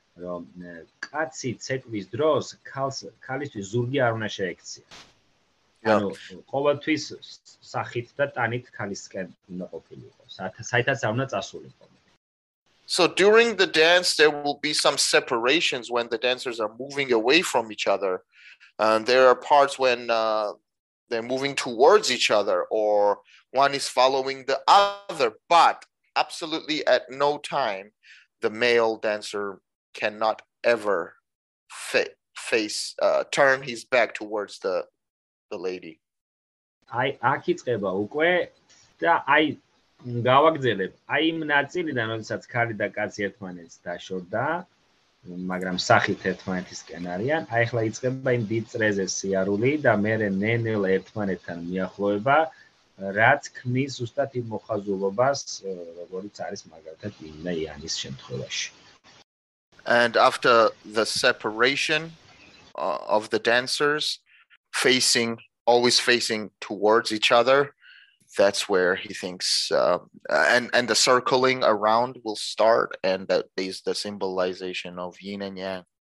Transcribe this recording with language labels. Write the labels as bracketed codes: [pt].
[ka] Რომ კაცი ცეკვის დროს ქალს ქალისთვის ზურგი არ უნდა შეექცია. [en] Yeah. [ka] ანუ ყოველთვის სახით და ტანით ქალისკენ უნდა ყოფილიყო, საითაც არ უნდა წასულიყო. [en] So during the dance, there will be some separations when the dancers are moving away from each other. And there are parts when they're moving towards each other, or one is following the other. But absolutely at no time, the male dancer cannot ever face turn his back towards the lady. [ka] აი აქ იწყება უკვე და აი გავაგრძელებ. აი იმ ნაწილიდან, როდესაც ქალი და კაცი ერთმანეთს დაშორდა, მაგრამ სახით ერთმანეთისკენ არიან, აი ახლა იწყება იმ დიდ წრეზე სიარული და მერე ნელ-ნელა ერთმანეთთან მიახლოება, რაც ქმნის ზუსტად იმ მოხაზულობას, როგორიც არის მაგალითად იმ და იანის შემთხვევაში. [en] And after the separation of the dancers, always facing towards each other, that's where he thinks, and the circling around will start, and that is the symbolization of yin and yang.